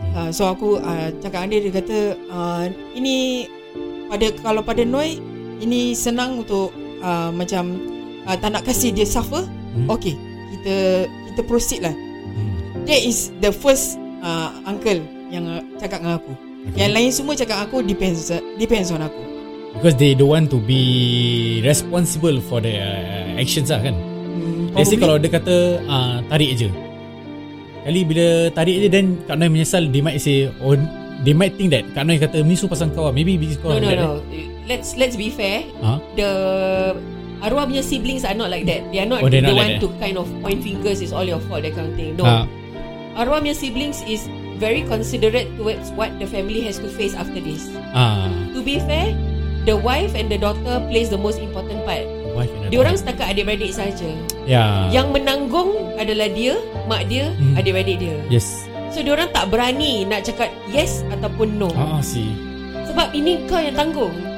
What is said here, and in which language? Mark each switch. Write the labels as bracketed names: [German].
[Malay] So aku cakap dengan dia kata, ini pada, kalau pada Noi ini senang untuk macam tak nak kasih dia suffer. [English] Okay, [Malay] kita proceed lah. [English] That is the first uncle [Malay] yang cakap dengan aku. Okay. Yang lain semua cakap aku [English] depends on [Malay] aku. [English] Because they don't want to be responsible for their actions [Malay] lah kan. [English] Let's say [Malay] kalau dia kata tarik je. Kali bila tarik je, [English] then [Malay] Kak Noi menyesal, [English] they might say, or they might think that [Malay] Kak Noi kata misu pasang kau. [English] Maybe because no. Right? Let's be fair. The arwah [Malay] punya [English] siblings are not like that. They are not the not one to kind of point fingers, it's all your fault, that kind of thing. No. [Malay] Arwah punya [English] siblings is very considerate towards what the family has to face after this. To be fair, the wife and the daughter plays the most important part. [Malay] Diorang setakat adik-beradik saja. [English] Yeah. [Malay] Yang menanggung adalah dia, mak dia, adik-beradik dia. [English] Yes. So [Malay] diorang tak berani nak cakap [English] yes [Malay] ataupun [English] no. [Malay] Sebab ini kau yang tanggung.